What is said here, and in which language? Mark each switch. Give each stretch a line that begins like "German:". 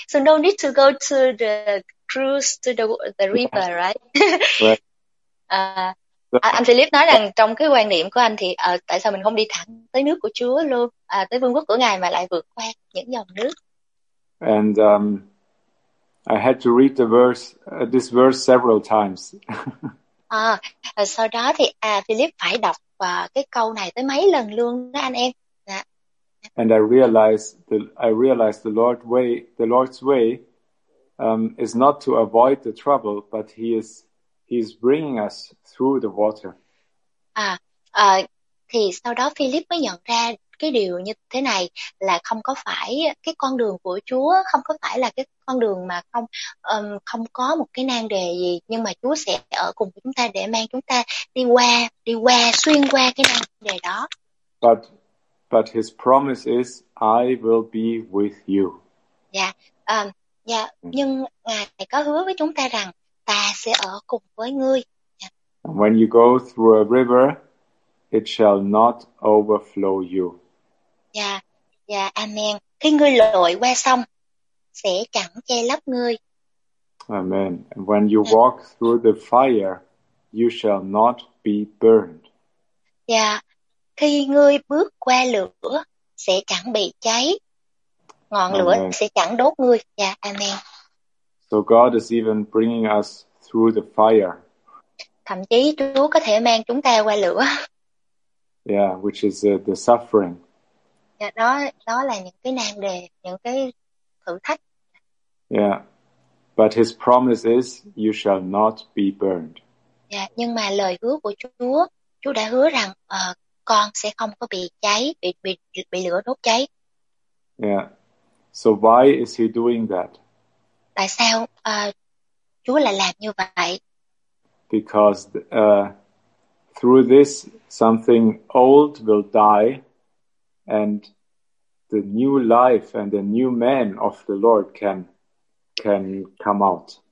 English: So no need to go to the cruise to the river, right?
Vietnamese: Anh Philip nói rằng trong cái quan niệm của anh thì tại sao mình không đi thẳng tới nước của Chúa luôn, tới vương quốc của Ngài mà lại vượt qua những dòng nước.
English: And I had to read the verse, this verse several times.
Vietnamese: À, sau đó thì Philip phải đọc cái câu này tới mấy lần luôn đó anh em. Dạ.
English: And I realized the Lord's way is not to avoid the trouble, but he's bringing us through the water.
Vietnamese: Thì sau đó Philip mới nhận ra cái điều như thế này là không có phải cái con đường của Chúa, không có phải là cái con đường mà không không có một cái nan đề gì, nhưng mà Chúa sẽ ở cùng chúng ta để mang chúng ta đi qua xuyên qua cái nan đề đó.
English: But his promise is I will be with you.
Vietnamese: Nhưng Ngài có hứa với chúng ta rằng ta sẽ ở cùng với ngươi.
English: And when you go through a river, it shall not overflow you. Amen.
Vietnamese: Khi ngươi lội qua sông, sẽ chẳng che lấp ngươi. Amen.
English: And when you walk through the fire, you shall not be burned.
Vietnamese: Khi ngươi bước qua lửa, sẽ chẳng bị cháy. Ngọn lửa sẽ chẳng đốt ngươi. Amen.
English: So God is even bringing us through the fire.
Vietnamese: Thậm chí Chúa có thể mang chúng ta qua lửa.
English: Yeah, which is the suffering.
Vietnamese: Đó là những cái nan đề, những cái thử thách.
English: Yeah, but his promise is you shall not be burned.
Vietnamese: Nhưng mà lời hứa của Chúa đã hứa rằng con sẽ không có bị cháy, bị lửa đốt cháy.
English: Yeah, so why is he doing that?
Vietnamese: Tại sao Chúa lại làm như vậy?
English: Because through this, something old will die, and the new life and the new man of the Lord can come out.